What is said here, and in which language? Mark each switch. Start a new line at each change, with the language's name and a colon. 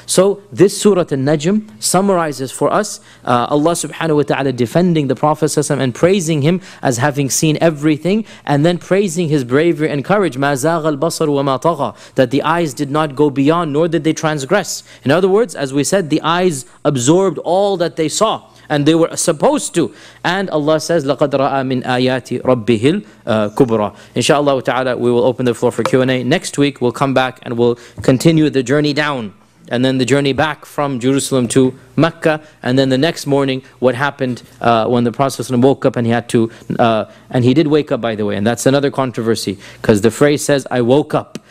English: So this Surah al-Najm summarizes for us Allah subhanahu wa ta'ala defending the Prophet ﷺ and praising him as having seen everything, and then praising his bravery and courage.
Arabic: مَا زَاغَ الْبَصَرُ وَمَا طَغَى.
English: That the eyes did not go beyond, nor did they transgress. In other words, as we said, the eyes absorbed all that they saw, and they were supposed to. And Allah says,
Arabic: لَقَدْ رَأَى مِنْ آيَاتِ رَبِّهِ الْكُبْرَى.
English: InshaAllah ta'ala, we will open the floor for Q&A. Next week, we'll come back and we'll continue the journey down, and then the journey back from Jerusalem to Mecca, and then the next morning, what happened when the Prophet ﷺ woke up, and he did wake up, by the way, and that's another controversy, because the phrase says, I woke up.